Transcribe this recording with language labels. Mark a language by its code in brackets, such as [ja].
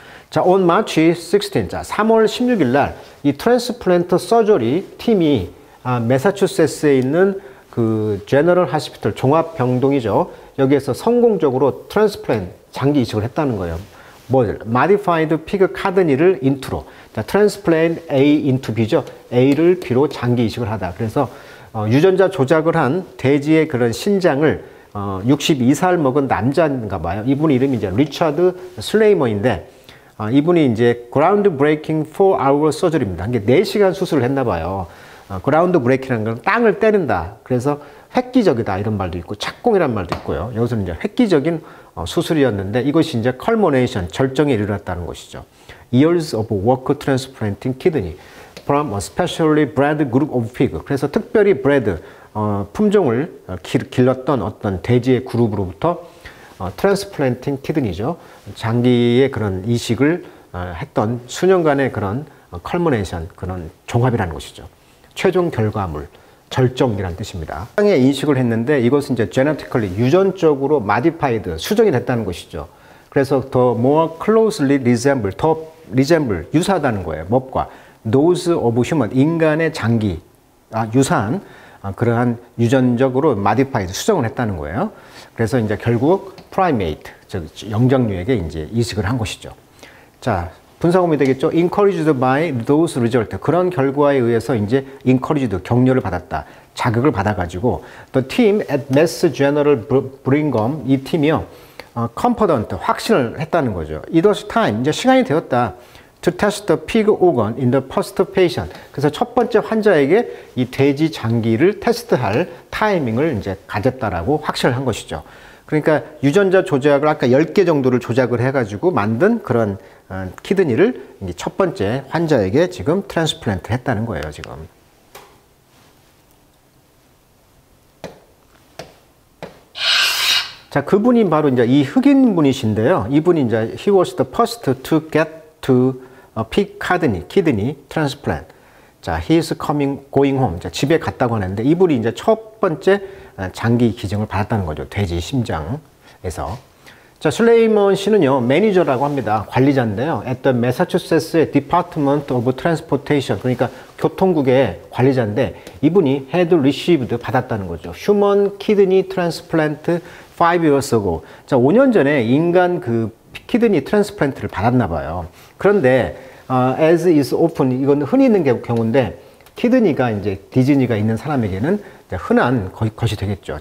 [ko] 자, [en] on March 16th, [ko] 자, 3월 16일 날 이 트랜스플랜트 서저리 팀이 매사추세츠에 있는 그 제너럴 하스피털 종합병동이죠. 여기에서 성공적으로 트랜스플랜트 장기 이식을 했다는 거예요. 뭐, modified pig kidney를 into로. 자, [en] transplant A into B [ko] 죠. A를 B로 장기 이식을 하다. 그래서, 유전자 조작을 한 돼지의 그런 신장을, 62살 먹은 남자인가 봐요. 이분 이름이 이제 리처드 슬레이머인데, 이분이 이제 [en] groundbreaking 4-hour surgery [ko] 입니다. 4시간 수술을 했나 봐요. groundbreaking이라는 건 땅을 때린다. 그래서 획기적이다 이런 말도 있고 착공이란 말도 있고요. 여기서는 이제 획기적인 수술이었는데 이것이 이제 culmination 절정에 이르렀다는 것이죠. [en] Years of work transplanting kidney from a specially bred group of pig. [ko] 그래서 특별히 bred 품종을 길렀던 어떤 돼지의 그룹으로부터 [en] transplanting kidney [ko] 죠. 장기의 그런 이식을 했던 수년간의 그런 culmination 그런 종합이라는 것이죠. 최종 결과물. 절정이란 뜻입니다. 땅에 인식을 했는데 이것은 이제 genetically 유전적으로 modified 수정이 됐다는 것이죠. 그래서 더 [en] more closely resemble [ko] 더 resemble 유사하다는 거예요. 뭡과 [en] those of human [ko] 인간의 장기 유사한 그러한 유전적으로 modified 수정을 했다는 거예요. 그래서 이제 결국 primate 즉 영장류에게 이제 이식을 한 것이죠. 자. 분사구문이 되겠죠. [en] encouraged by those results. [ko] 그런 결과에 의해서 이제 encouraged, 격려를 받았다. 자극을 받아가지고 [en] the team at Mass General Brigham [ko] 이 팀이요. confident, 확신을 했다는 거죠. [en] It was time, [ko] 이제 시간이 되었다. [en] to test the pig organ in the first patient. [ko] 그래서 첫 번째 환자에게 이 돼지 장기를 테스트할 타이밍을 이제 가졌다라고 확신을 한 것이죠. 그러니까 유전자 조작을 아까 10개 정도를 조작을 해가지고 만든 그런 키드니를 이제 첫 번째 환자에게 지금 트랜스플랜트 했다는 거예요, 지금. 자, 그분이 바로 이제 이 흑인 분이신데요. 이분이 이제 [en] he was the first to get to a pig kidney transplant. 자, he is coming going home. [ko] 자, 집에 갔다고 하는데 이분이 이제 첫 번째 장기 기증을 받았다는 거죠. 돼지 심장에서. 자, 슬레이먼 씨는요, 매니저라고 합니다. 관리자인데요. [en] At the Massachusetts Department of Transportation. [ko] 그러니까 교통국의 관리자인데, 이분이 [en] had received [ko] 받았다는 거죠. [en] Human kidney transplant 5 years ago. [ko] 자, 5년 전에 인간 그 kidney transplant를 받았나 봐요. 그런데, [en] as is often, [ko] 이건 흔히 있는 경우인데, 키드니가 이제 디즈니가 있는 사람에게는 이제 흔한 것이 되겠죠.